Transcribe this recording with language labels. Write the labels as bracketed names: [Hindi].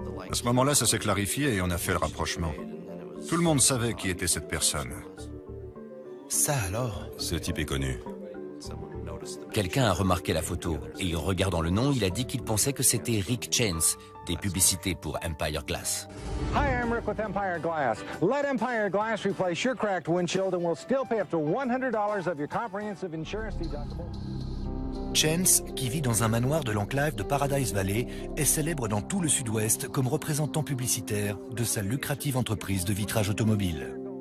[French] À ce moment-là, ça s'est clarifié et on a fait le rapprochement. Tout le monde savait qui était cette personne. Ça alors? Ce type est connu. Quelqu'un a remarqué la photo et en regardant le nom, il a dit qu'il pensait que c'était Rick Chance, des publicités pour Empire Glass. [English] Hi, I'm Rick with Empire Glass. Let Empire Glass replace your cracked windshield and we'll still pay up to $100 of your comprehensive insurance deductible. [French] Chance, qui vit dans un manoir de l'enclave de Paradise Valley, est célèbre dans tout le sud-ouest comme représentant publicitaire de sa lucrative entreprise de vitrage automobile.